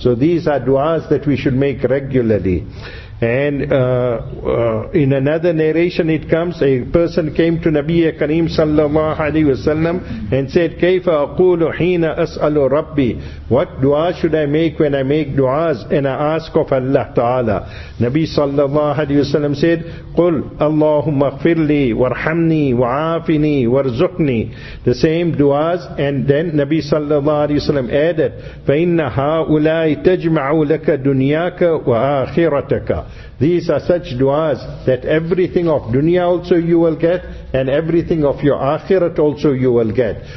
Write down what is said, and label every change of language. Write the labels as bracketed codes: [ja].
[en] So these are du'as that we should make regularly. And in another narration it comes, a person came to Nabi Kareem sallallahu alayhi wa sallam and said, [ar] كَيْفَ أَقُولُ حِينَ أَسْأَلُ رَبِّي. [en] What dua should I make when I make du'as and I ask of Allah Ta'ala? Nabi sallallahu alayhi wa sallam said, [ar] قُلْ أَلَّهُمَّ اغْفِرْ لِي وَارْحَمْنِي وَعَافِنِي وَارْزُقْنِي. [en] The same du'as, and then Nabi sallallahu alayhi wa sallam added, [ar] فَإِنَّ هَاُولَاءِ تَجْمَعُ لَكَ دُنْيَاكَ وَآخِرَتَكَ. [en] These are such du'as that everything of dunya also you will get, and everything of your akhirat also you will get.